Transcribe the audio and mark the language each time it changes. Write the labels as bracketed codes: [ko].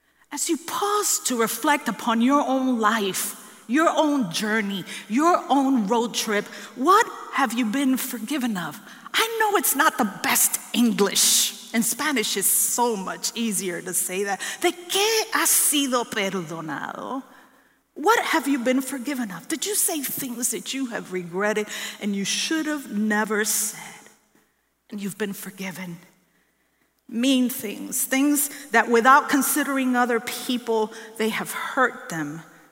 [en] As you pause to reflect upon your own life, your own journey, your own road trip, what have you been forgiven of? I know it's not the best English. And Spanish is so much easier to say that. [es] ¿De qué has sido perdonado? [en] What have you been forgiven of? Did you say things that you have regretted and you should have never said? And you've been forgiven. mean things, things that without considering other people, they have hurt them.